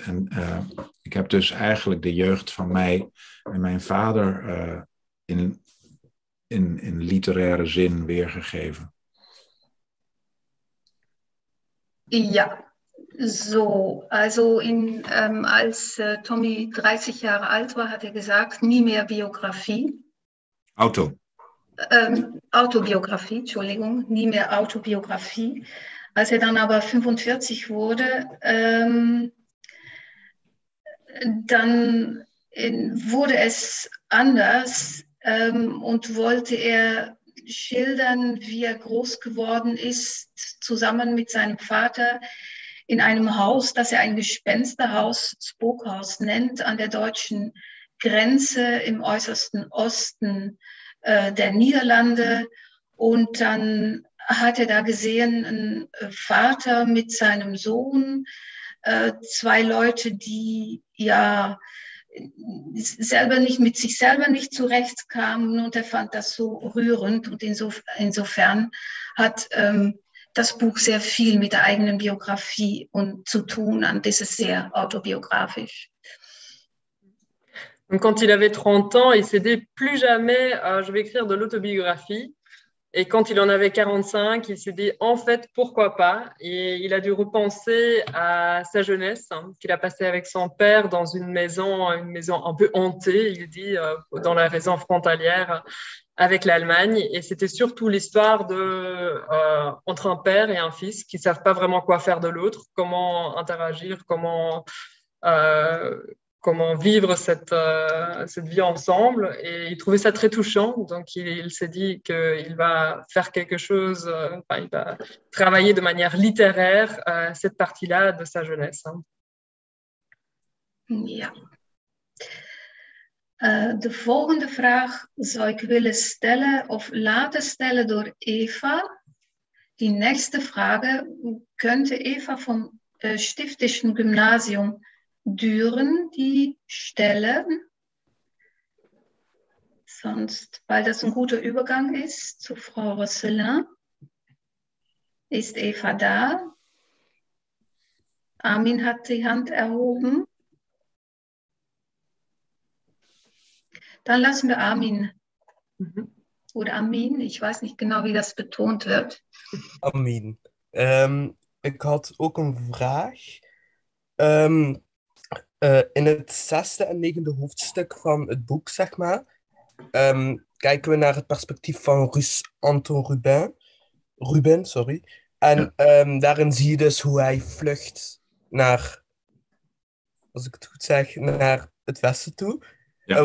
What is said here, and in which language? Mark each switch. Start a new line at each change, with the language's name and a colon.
Dutch: En ik heb dus eigenlijk de jeugd van mij en mijn vader in literaire zin weergegeven. Ja, zo.
German: Also
Dutch: als Tommy 30 jaar oud was, had hij gezegd, niet meer biografie. Auto.
German: Autobiografie, Entschuldigung, nie mehr Autobiografie. Als er dann aber 45 wurde, dann wurde es anders und wollte er schildern, wie er groß geworden ist, zusammen mit seinem Vater in einem Haus, das er ein Gespensterhaus, Spookhaus nennt, an der deutschen Grenze im äußersten Osten der Niederlande und dann hat er da gesehen, einen Vater mit seinem Sohn, zwei Leute, die ja selber nicht mit sich selber nicht zurechtkamen, und er fand das so rührend, und insofern hat das Buch sehr viel mit der eigenen Biografie und zu tun, und das ist sehr autobiografisch.
French: Donc, quand il avait 30 ans, il s'est dit plus jamais je vais écrire de l'autobiographie. Et quand il en avait 45, il s'est dit en fait pourquoi pas. Et il a dû repenser à sa jeunesse, hein, qu'il a passée avec son père dans une maison un peu hantée, il dit, dans la région frontalière avec l'Allemagne. Et c'était surtout l'histoire entre un père et un fils qui ne savent pas vraiment quoi faire de l'autre, comment interagir, comment vivre cette vie ensemble. Et il trouvait ça très touchant. Donc, il s'est dit qu'il va faire quelque chose, il va travailler de manière littéraire cette partie-là de sa jeunesse.
Dutch: Ja. De volgende vraag zou ik willen stellen of laten stellen door Eva.
German: Die nächste Frage könnte Eva vom Stiftischen Gymnasium Düren, die Stelle, sonst, weil das ein guter Übergang ist zu Frau Rosselin. Ist Eva da? Armin hat die Hand erhoben. Dann lassen wir Armin. Oder Armin, ich weiß nicht genau, wie das betont wird. Armin, ich hatte auch eine Frage.
Dutch: In het zesde en negende hoofdstuk van het boek, zeg maar, kijken we naar het perspectief van Antoine Rubin, sorry. En daarin zie je dus hoe hij vlucht naar, als ik het goed zeg, naar het westen toe. Ja.